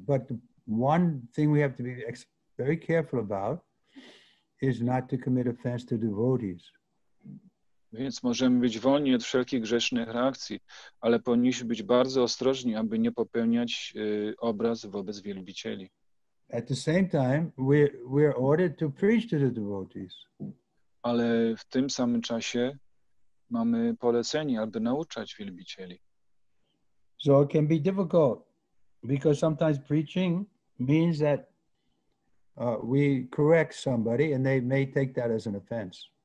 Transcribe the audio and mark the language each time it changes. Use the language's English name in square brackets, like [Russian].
[English] But one thing we have to be very careful about is not to commit offense to devotees. [Polish] Więc możemy być wolni od wszelkich grzesznych reakcji, ale powinniśmy być bardzo ostrożni, aby nie popełniać obraz wobec wielbicieli. [English] At the same time, we're ordered to preach to the devotees. [Polish] Ale w tym samym czasie Mamy polecenie, aby nauczać wielbicieli. [English] So it can be difficult because sometimes preaching means that we correct somebody and they may take that as an offense.